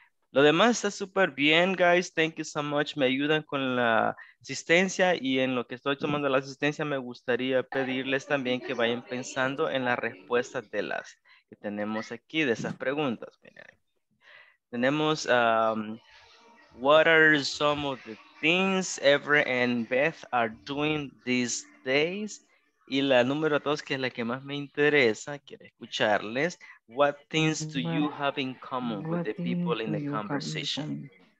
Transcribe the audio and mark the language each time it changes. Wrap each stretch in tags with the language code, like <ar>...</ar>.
<es>Lo demás está súper bien, guys.</es> <en>Thank you so much.</en> <es>Me ayudan con la asistencia y en lo que estoy tomando la asistencia, me gustaría pedirles también que vayan pensando en las respuestas de las que tenemos aquí, de esas preguntas. Tenemos...</es> <en>what are some of the things Ever and Beth are doing these days?</en> <es>Y la número dos, que es la que más me interesa, quiero escucharles.</es> <en>What things do you have in common with the people in the conversation?</en>